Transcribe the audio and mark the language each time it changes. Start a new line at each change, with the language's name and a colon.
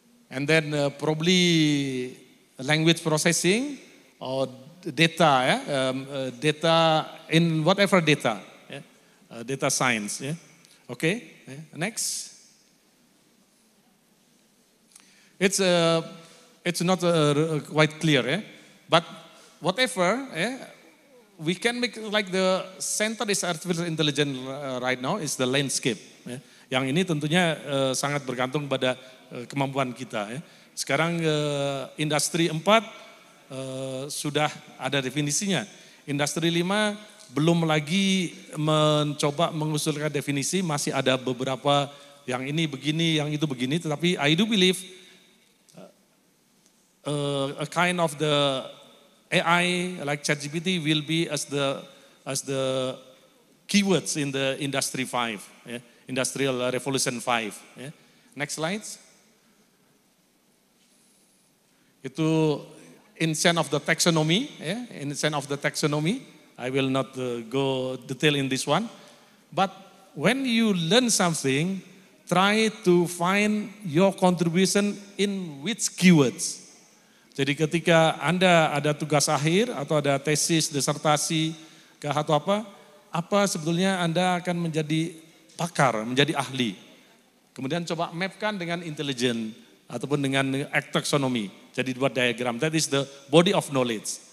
English: And then probably language processing or data ya, data in whatever data, yeah. Data science, yeah. Okay, yeah. Next, it's not quite clear, yeah. But whatever, yeah, we can make like the center is artificial intelligence right now is the landscape, yeah.
Indonesian: yang ini tentunya sangat bergantung pada kemampuan kita. Sekarang industri 4 sudah ada definisinya. Industri 5 belum lagi mencoba mengusulkan definisi, masih ada beberapa yang ini begini, yang itu begini, tetapi
English: I do believe a kind of the AI like ChatGPT will be as the keywords in the industry 5, yeah, industrial revolution 5. Yeah. Next slides. Itu in sense of the taxonomy, yeah, in sense of the taxonomy, I will not go detail in this one. But when you learn something, try to find your contribution in which keywords.
Indonesian: Jadi ketika Anda ada tugas akhir atau ada tesis, disertasi, kah atau apa, apa sebetulnya Anda akan menjadi pakar, menjadi ahli. Kemudian coba mapkan dengan intelligence ataupun dengan taxonomy. Jadi buat diagram,
English: that is the body of knowledge.